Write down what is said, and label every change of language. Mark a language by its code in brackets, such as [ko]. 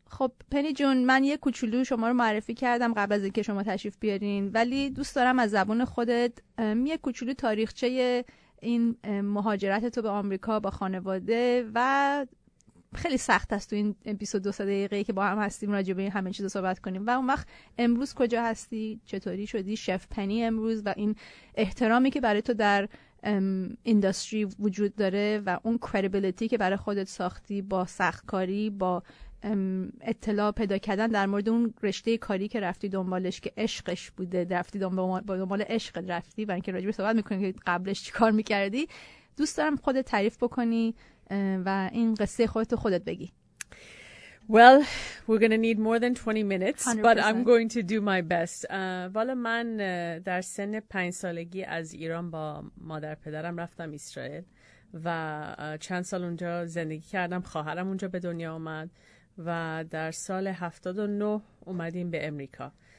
[fa] خب پنی جون من یه کوچولو شما رو معرفی کردم قبل از اینکه شما تشریف بیارین ولی دوست دارم از زبون خودت یه کوچولو تاریخچه این مهاجرت تو به آمریکا با خانواده و خیلی سخت است تو این 22 دقیقه که با هم هستیم راجع به این همه چیز رو صحبت کنیم و اون وقت امروز کجا هستی چطوری شدی شف پنی امروز و این احترامی که برای تو در اندستری وجود داره و اون کریبلیتی که برای خودت ساختی با سخت کاری با اطلاع پیدا کردن در مورد اون رشته کاری که رفتی دنبالش که عشقش بوده رفتی دنبال عشق رفتی و اینکه راجبه صحبت میکنی که قبلش چی کار میکردی دوست دارم خودت تعریف بکنی و این قصه خودت بگی [en] Well, we're going to need more than 20 minutes, 100%. But I'm going to do my best. [fa] والا من در سن 5 سالگی از ایران با مادر پدرم رفتم اسرائیل و چند سال اونجا زندگی کردم. خواهرم اونجا به دنیا اومد و در سال 79 اومدیم به امریکا.